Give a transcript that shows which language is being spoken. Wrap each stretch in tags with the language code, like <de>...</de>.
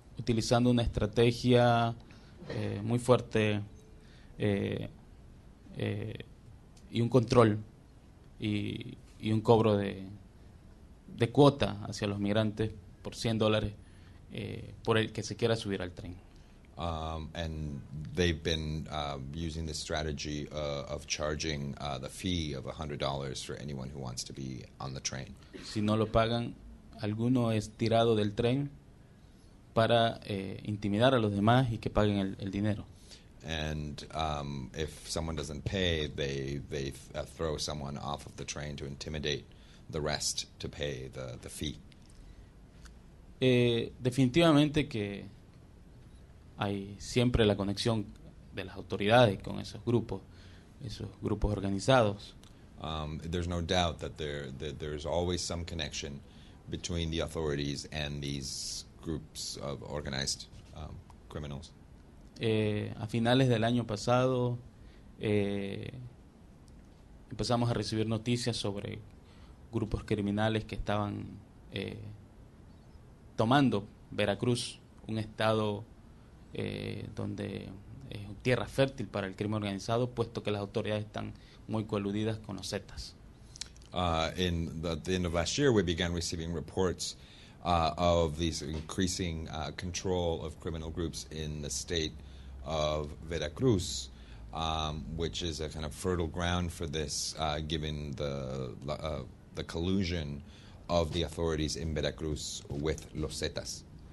<es>Utilizando una estrategia muy fuerte y un control y un cobro de cuota hacia los migrantes por $100 por el que se quiera subir al tren.</es> <en>And they've been using the strategy of charging the fee of $100 for anyone who wants to be on the train.</en> <es>Si no lo pagan, alguno es tirado del tren para intimidar a los demás y que paguen el dinero.</es> <en>And if someone doesn't pay, they throw someone off of the train to intimidate the rest to pay the fee.</en> <es>Definitivamente que hay siempre la conexión de las autoridades con esos grupos organizados.</es> <en>There's no doubt that there's always some connection between the authorities and these groups of organized criminals.</en> <es>A finales del año pasado empezamos a recibir noticias sobre grupos criminales que estaban tomando Veracruz, un estado donde es tierra fértil para el crimen organizado, puesto que las autoridades están muy coludidas con los Zetas.</es> <en>In the end of last year, we began receiving reports of these increasing control of criminal groups in the state of Veracruz, which is a kind of fertile ground for this, given the collusion of the authorities in Veracruz with los Zetas.</en>